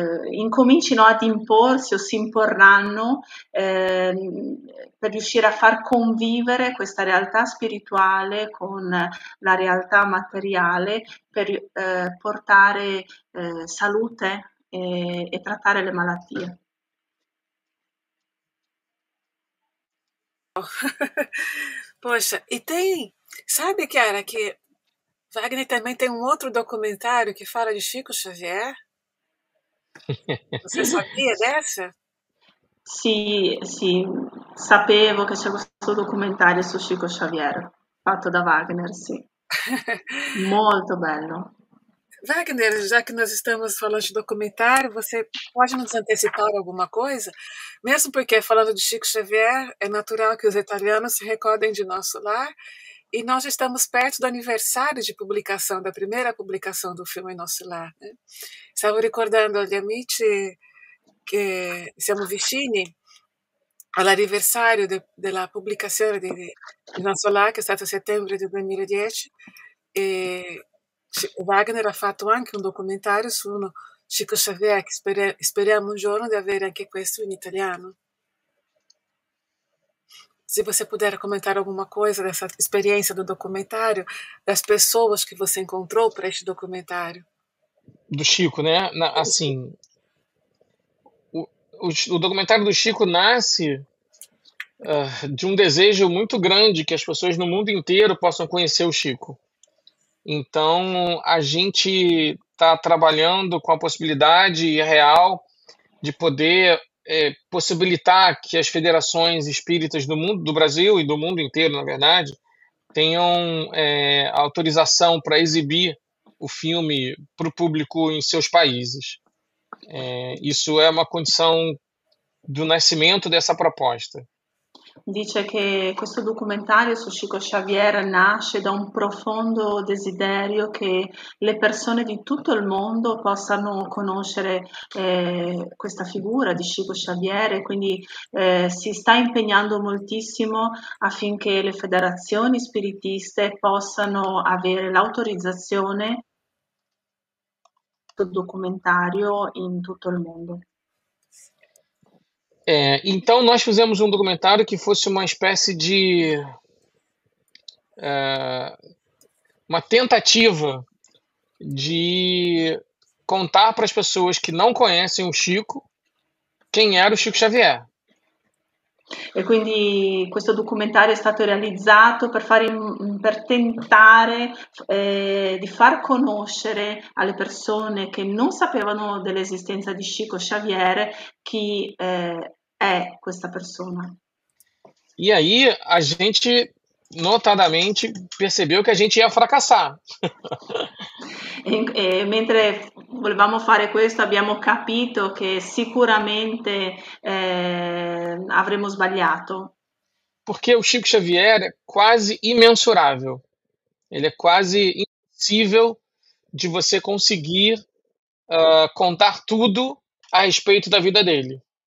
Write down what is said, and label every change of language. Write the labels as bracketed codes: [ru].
[it] incomincino ad imporsi o si imporranno per riuscire a far convivere questa realtà spirituale con la realtà materiale per portare salute e trattare le malattie. [pt] Poxa, e tem, sabe, Chiara, che Wagner também tem um outro documentário que fala de Chico Xavier? Você sabia dessa? [it] Sim. Sapevo que c'era questo documentário su Chico Xavier, fatto da Wagner, sim. [pt] Muito bello. Wagner, já que nós estamos falando de documentário, você pode nos antecipar alguma coisa? Mesmo porque, falando de Chico Xavier, é natural que os italianos se recordem de nosso lar. E nós estamos perto do aniversário de publicação, da primeira publicação do filme Nosso Lar. Né? Estava recordando ali a Michi, que [it] siamo vicini all'anniversario della pubblicazione di Nosso Lar, che è stato settembre del 2010. E o Wagner ha fatto anche un documentario su Chico Xavier, che speriamo un giorno di avere anche questo in italiano. [pt] Se você puder comentar alguma coisa dessa experiência do documentário, das pessoas que você encontrou para este documentário. Do Chico, né? Assim, o documentário do Chico nasce de um desejo muito grande que as pessoas no mundo inteiro possam conhecer o Chico. Então, a gente está trabalhando com a possibilidade real de poder possibilitar que as federações espíritas do mundo, do Brasil e do mundo inteiro, na verdade, tenham autorização para exibir o filme para o público em seus países. Isso é uma condição do nascimento dessa proposta. [it] Dice che questo documentario su Chico Xavier nasce da un profondo desiderio che le persone di tutto il mondo possano conoscere questa figura di Chico Xavier, e quindi si sta impegnando moltissimo affinché le federazioni spiritiste possano avere l'autorizzazione del documentario in tutto il mondo. [pt] Então, nós fizemos um documentário que fosse uma espécie de uma tentativa de contar para as pessoas que não conhecem o Chico quem era o Chico Xavier. [it] E quindi questo documentário é stato realizzato per tentare di far conoscere alle persone che non sapevano dell'esistenza di Chico Xavier chi é questa persona. [pt] E aí a gente notadamente percebeu que a gente ia fracassar. [it] E mentre volevamo fare questo abbiamo capito che sicuramente avremmo sbagliato. [pt] Porque o Chico Xavier é quase imensurável. Ele é quase impossível de você conseguir contar tudo a respeito da vida dele.